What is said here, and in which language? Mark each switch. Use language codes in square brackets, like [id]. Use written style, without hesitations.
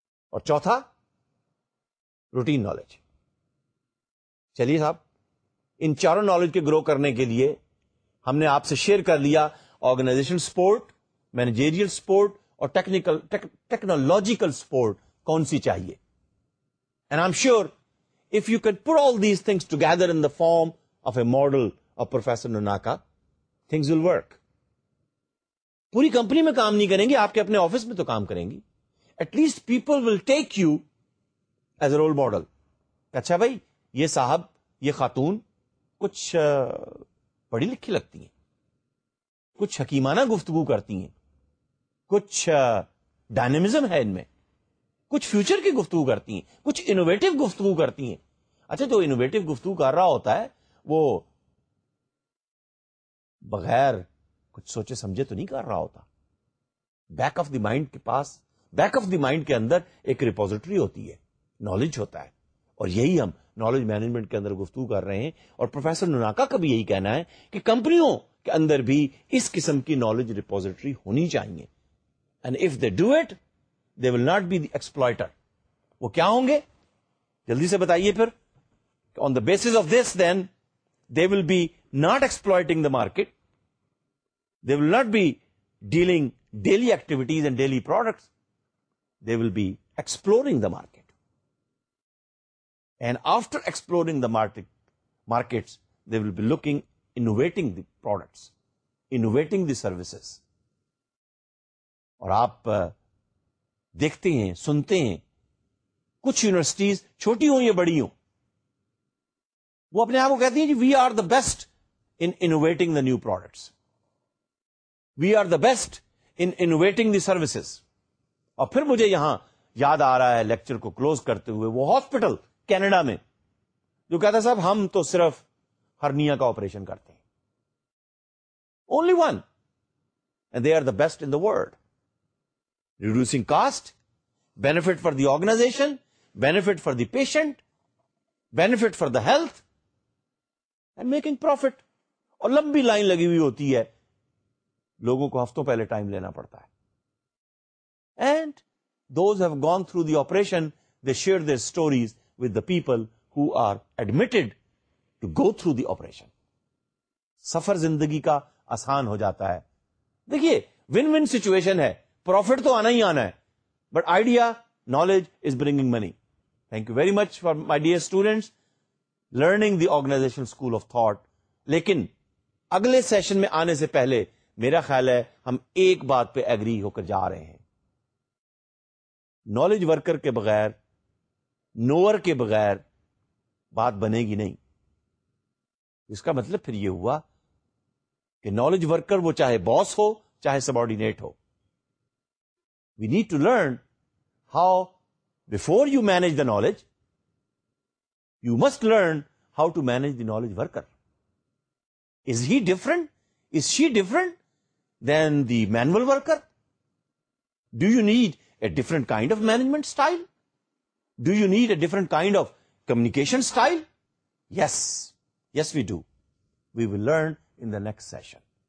[ur] اور چوتھا, routine knowledge. چلیے صاحب, ان چاروں نالج کے گرو کرنے کے لیے ہم نے آپ سے شیئر کر لیا آرگنائزیشن سپورٹ, مینیجیریل سپورٹ اور ٹیکنالوجیکل سپورٹ کون سی چاہیے. [en] And I'm sure if you can put all these things together in the form of a model of professor Nonaka, things will work. [ur] پوری کمپنی میں کام نہیں کریں گے, آپ کے اپنے آفس میں تو کام کریں گی. [en] At least people will take you as a role model. [ur] اچھا بھائی, یہ صاحب یہ خاتون کچھ پڑھی لکھی لگتی ہیں, کچھ حکیمانہ گفتگو کرتی ہیں, کچھ ڈائنمزم ہے ان میں, کچھ فیوچر کی گفتگو کرتی ہیں, کچھ انوویٹو گفتگو کرتی ہیں. اچھا, جو انوویٹو گفتگو کر رہا ہوتا ہے وہ بغیر کچھ سوچے سمجھے تو نہیں کر رہا ہوتا. بیک آف دی مائنڈ کے پاس, بیک آف دی مائنڈ کے اندر ایک ریپوزٹری ہوتی ہے, نالج ہوتا ہے, اور یہی ہم نالج مینجمنٹ کے اندر گفتگو کر رہے ہیں. اور پروفیسر نوناکا کا بھی یہی کہنا ہے کہ کمپنیوں اندر بھی اس قسم کی نالج ریپوزٹری ہونی چاہیے, [en] And if they do it they will not be the exploiter. [ur] وہ کیا ہوں گے جلدی سے بتائیے پھر. [en] On the basis of this then they will be not exploiting the market, they will not be dealing daily activities and daily products, they will be exploring the market. And after exploring the markets they will be looking innovating the products, innovating the services. [ur] اور آپ دیکھتے ہیں سنتے ہیں کچھ universities چھوٹی ہوں یا بڑی ہوں وہ اپنے آپ کو کہتی ہیں جی [en] We are the best innovating the new products, we are the best innovating the services. [ur] اور پھر مجھے یہاں یاد آ رہا ہے لیکچر کو کلوز کرتے ہوئے وہ ہاسپٹل کینیڈا میں جو کہتا صاحب ہم تو صرف ہرنیا کا آپریشن کرتے ہیں, [en] Only one, and they are the best in the world. Reducing cost, benefit for the organization, benefit for the patient, benefit for the health, and making profit. [ur] اور لمبی لائن لگی ہوئی ہوتی ہے, لوگوں کو ہفتوں پہلے ٹائم لینا پڑتا ہے. [en] And those have gone through the operation, they share their stories with the people who are admitted to go through the operation. [ur] سفر زندگی کا آسان ہو جاتا ہے. دیکھیے [en] win win situation [ur] ہے, پروفٹ تو آنا ہی آنا ہے, [en] But idea knowledge is bringing money. Thank you very much for my dear students learning the organization school of thought. [ur] لیکن اگلے سیشن میں آنے سے پہلے میرا خیال ہے ہم ایک بات پہ ایگری ہو کر جا رہے ہیں, نالج ورکر کے بغیر, نوور کے بغیر بات بنے گی نہیں. اس کا مطلب پھر یہ ہوا کہ نالج ورکر وہ چاہے باس ہو چاہے subordinate ہو, [en] we need to learn how before you manage the knowledge you must learn how to manage the knowledge worker. Is he different, is she different than the manual worker? Do you need a different kind of management style? Do you need a different kind of communication style? Yes, yes we do. We will learn in the next session.